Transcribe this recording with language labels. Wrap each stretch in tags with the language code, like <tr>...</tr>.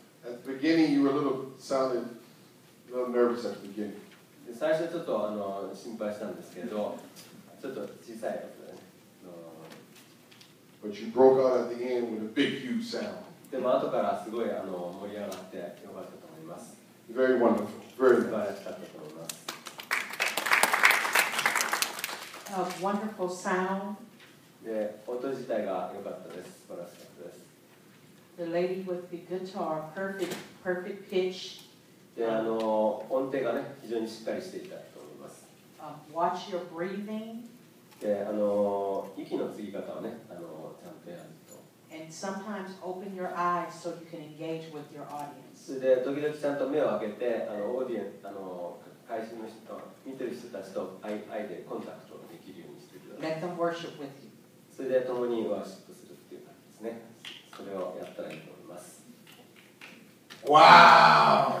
<en>At the beginning, you were sounded a little nervous at the beginning.</en> <ja>最初ちょっと心配したんですけど、ちょっと小さい音で、</ja> <en>But you broke out at the end with a big, huge sound.</en> <ja>でも後からすごい盛り上がって良かったと思います。</ja> <en>Very wonderful. Very nice.</en> <ja>素晴らしかったと思います。</ja> <en>A wonderful sound.</en> <ja>で、音自体が良かったです。素晴らしかったです。</ja> <en>The lady with the guitar, perfect pitch.</en> <ja>で、音程がね、非常にしっかりしていたと思います。</ja> <en>Watch your breathing.</en> <ja>で、息の継ぎ方をね、ちゃんとやると。</ja> <en>And sometimes open your eyes so you can engage with your audience.</en> <ja>で、時々ちゃんと目を開けて、オーディエンス、会場の人、見てる人たちと愛でコンタクトできるようにしてください。</ja> <en>Let them worship with you.</en> <ja>それで共にワーシップするっていう感じですね。それをやったらいいと思います。わ</ja>